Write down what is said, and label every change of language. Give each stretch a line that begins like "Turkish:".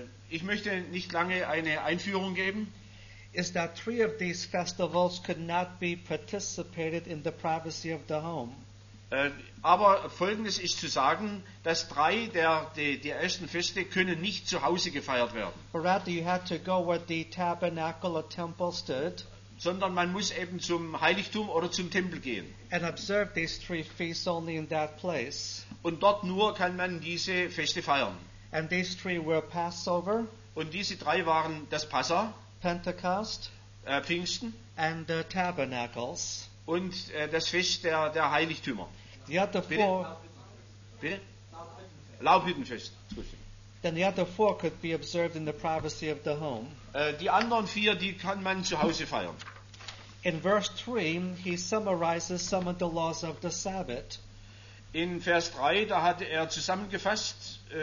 German: Ich möchte nicht lange eine Einführung geben.
English: Is that three of these festivals could not be participated in the privacy of the home.
German: Aber Folgendes ist zu sagen, dass drei der die ersten Feste können nicht zu Hause gefeiert werden.
English: But rather you had to go where the tabernacle or temple stood.
German: Sondern man muss eben zum Heiligtum oder zum Tempel gehen.
English: And observe these three feasts only in that place.
German: Und dort nur kann man diese Feste feiern.
English: And these three were Passover.
German: Und diese drei waren das Passa,
English: Pentecost,
German: Pfingsten,
English: and the Tabernacles.
German: Und das Fest der Heiligtümer.
English: The other four.
German: Bitte? Laubhüttenfest.
English: Then the other four could be observed in the privacy of the home.
German: Die anderen vier, die kann man zu Hause feiern.
English: In verse 3, he summarizes some of the laws of the Sabbath.
German: In Vers 3, da hat er zusammengefasst